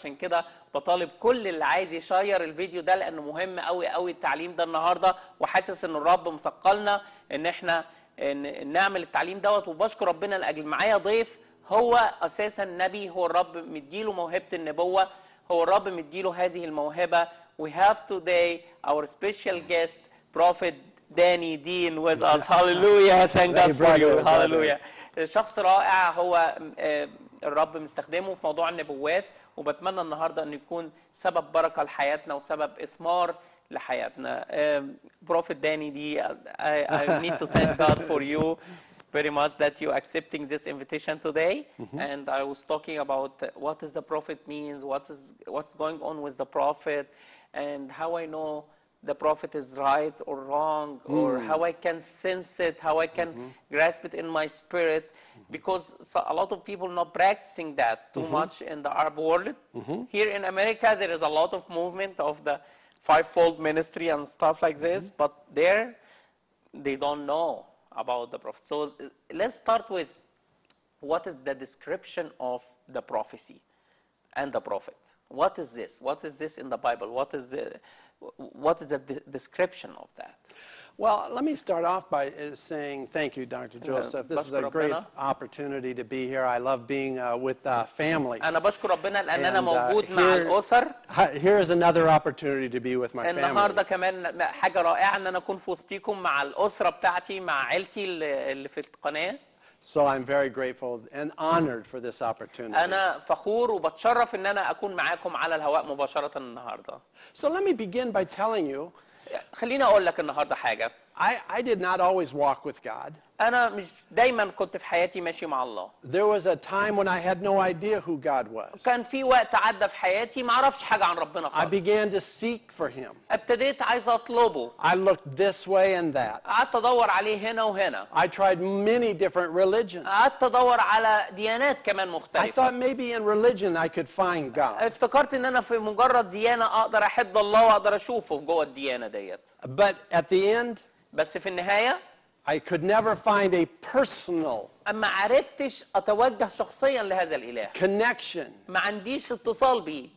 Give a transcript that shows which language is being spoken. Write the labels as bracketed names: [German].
[Arabic] عشان كده بطالب كل اللي عايز يشير الفيديو ده، لانه مهم قوي قوي التعليم ده النهاردة، وحاسس ان الرب مثقلنا ان احنا نعمل التعليم دوت. وبشكر ربنا لاجل معايا ضيف هو اساسا نبي، هو الرب مديله موهبة النبوة، هو الرب مديله هذه الموهبة. [English] We have today our special guest Prophet Danny Dean with us. Hallelujah. Thank God for you. Hallelujah. [Arabic] شخص رائع هو الرب مستخدمه في موضوع النبوات، وبتمنى النهاردة أن يكون سبب بركة لحياتنا وسبب إثمار لحياتنا. [English] Prophet Danny D, I need to thank God for you very much that you accepting this invitation today. And I was talking about what is the prophet means, what's going on with the prophet, and how I know the prophet is right or wrong, or how I can sense it, how I can grasp it in my spirit, because a lot of people not practicing that too much in the Arab world. Here in America, there is a lot of movement of the fivefold ministry and stuff like this, but there, they don't know about the prophet. So let's start with, what is the description of the prophecy and the prophet? What is this? What is this in the Bible? What is the description of that? Well, let me start off by saying thank you, Dr. Joseph. This is a great opportunity to be here. I love being with family. [Arabic] أنا بشكر ربنا لأن أنا موجود مع الأسر. [English] Here is another opportunity to be with my family. [Arabic] النهاردة كمان حاجة رائعة إن أنا أكون في وسطيكم مع الأسرة بتاعتي، مع عيلتي اللي في القناة. [English] So I'm very grateful and honored for this opportunity. [Arabic] أنا فخور وبتشرف إن أنا أكون معاكم على الهواء مباشرة النهاردة. [English] So let me begin by telling you. [Arabic] خليني أقول لك النهاردة حاجة. [English] I did not always walk with God. [Arabic] أنا مش دايما كنت في حياتي ماشي مع الله. [English] There was a time when I had no idea who God was. [Arabic] كان في وقت عدى في حياتي ما عرفش حاجة عن ربنا خالص. [English] I began to seek for him. [Arabic] ابتديت عايز أطلبه. [English] I looked this way and that. [Arabic] قعدت أدور عليه هنا وهنا. [English] I tried many different religions. [Arabic] قعدت أدور على ديانات كمان مختلفة. [English] I thought maybe in religion I could find God. [Arabic] افتكرت إن أنا في مجرد ديانة أقدر أحب الله وأقدر أشوفه جوه الديانة ديت. [English] But at the end, [Arabic] بس في النهاية [English] I could never find a personal [Arabic] أما عرفتش أتوجه شخصيا لهذا الإله [English] connection [Arabic] ما عنديش اتصال بي